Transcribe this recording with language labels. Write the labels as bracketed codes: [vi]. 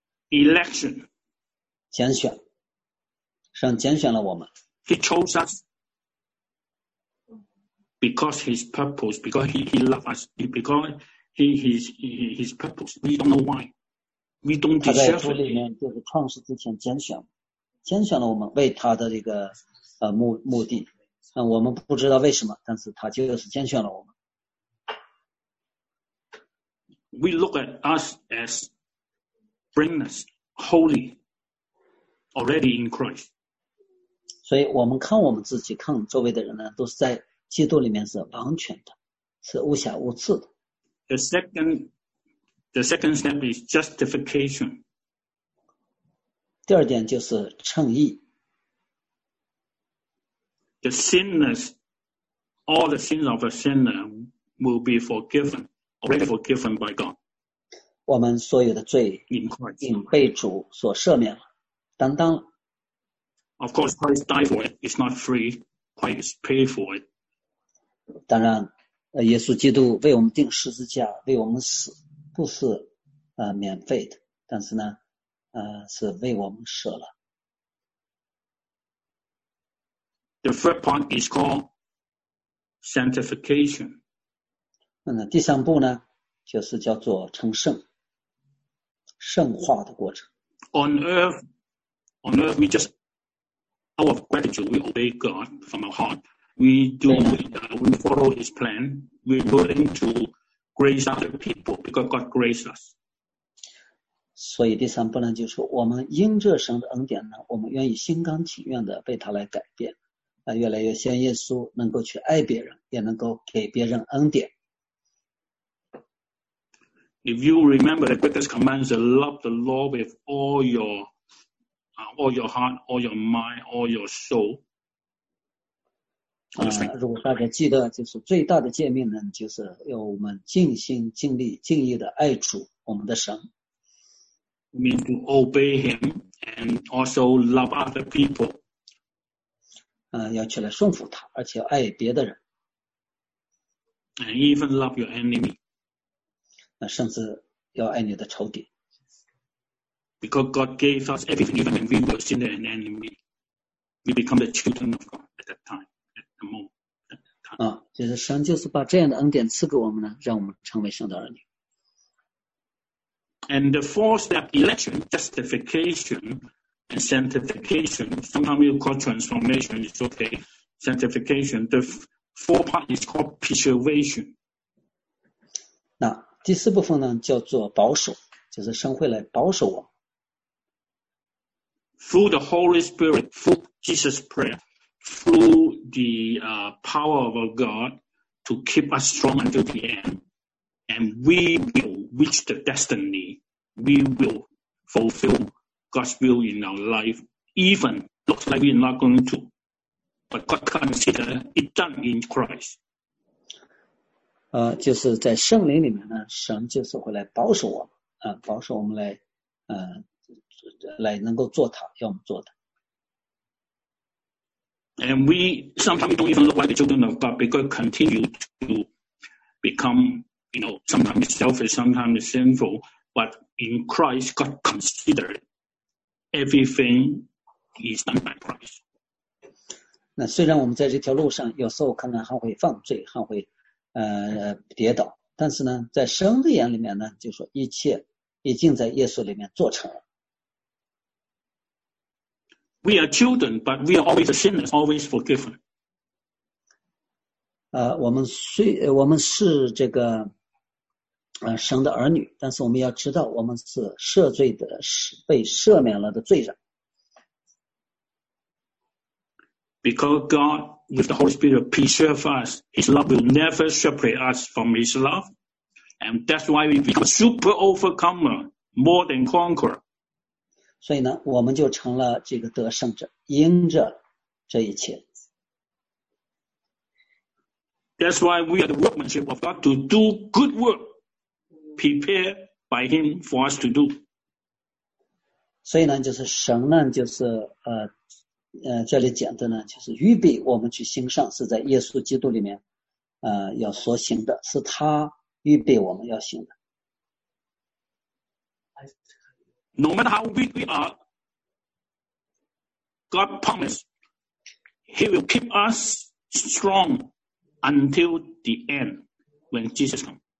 [en] election， [zh] 拣选，神拣选了我们。 [en] He chose us because His purpose, because He loves us, because His purpose. We don't know why. We don't deserve it. [zh] 他在书里面就是创世之前拣选。拣选了我们为他的这个目的，我们不知道为什么，但是他就是拣选了我们。 [en] We look at us as blameless, holy, already in Christ. [zh] 所以我们看我们自己，看周围的人呢，都是在基督里面是完全的，是无瑕无疵的。 [en] The second step is justification. [zh] 第二点就是称义。 [en] The sinners, all the sins of a sinner will be forgiven, already forgiven by God. [zh] 我们所有的罪已经被主所赦免了，担当了。 [en] Of course, Christ died for it. It's not free. Christ paid for it. [zh] 当然，耶稣基督为我们钉十字架，为我们死，不是免费的，但是呢是为我们舍了。 [en] The third point is called sanctification. [zh] 第三步呢，就是叫做成圣，圣化的过程。 [en] On earth, we just out of gratitude, we obey God from our heart. We follow His plan. We're willing to grace other people because God graces us. [zh] 所以第三步呢，就是我们因着神的恩典呢，我们愿意心甘情愿的被他来改变，越来越像耶稣，能够去爱别人，也能够给别人恩典。 [en] If you remember the greatest commands, love the Lord with all your heart, all your mind, all your soul. [zh] 如果大家记得，就是最大的诫命呢，就是要我们尽心尽力尽意的爱主我们的神。 [en] Mean to obey him and also love other people. [zh] 要起来顺服他，而且要爱别的人。 [en] And even love your enemy. [zh] 甚至要爱你的仇敌。 [en] Because God gave us everything, even when we were sinner and enemy, we become the children of God at that time, at the moment. [zh] 就是神就是把这样的恩典赐给我们呢，让我们成为神的儿女。 [en] And the four step election, justification, and sanctification, sometimes we call transformation, it's okay, sanctification, the four part is called preservation. [zh] 那第四部分呢叫做保守，就是神会来保守我。 [en] Through the Holy Spirit, through Jesus' prayer, through the power of our God to keep us strong until the end, and we will reach the destiny. We will fulfill God's will in our life, even looks like we're not going to, but God consider it done in Christ. [zh] 就是在圣灵里面呢，神就是会来保守我们，保守我们来来能够做他要我们做的。 [en] And we sometimes don't even know why the children of God, because continue to become, you know, sometimes selfish, sometimes sinful, but in Christ, God considered everything is done by Christ. [zh] 那虽然我们在这条路上有时候可能还会犯罪，还会跌倒，但是呢，在神的眼里面呢，就说一切已经在耶稣里面做成了。 [en] We are children, but we are always sinners, always forgiven. [zh] 我们是这个神的儿女，但是我们要知道，我们是赦罪的，被赦免了的罪人。 [en] Because God, with the Holy Spirit, preserve us, His love will never separate us from His love, and that's why we become super overcomer, more than conqueror. [zh] 所以呢，我们就成了这个得胜者，因着这一切。 [en] That's why we are the workmanship of God to do good work, prepared by Him for us to do. [zh] 所以呢，就是神呢，就是这里讲的呢，就是预备我们去行善，是在耶稣基督里面，要所行的，是他预备我们要行的。 [en] No matter how weak we are, God promised He will keep us strong until the end when Jesus comes.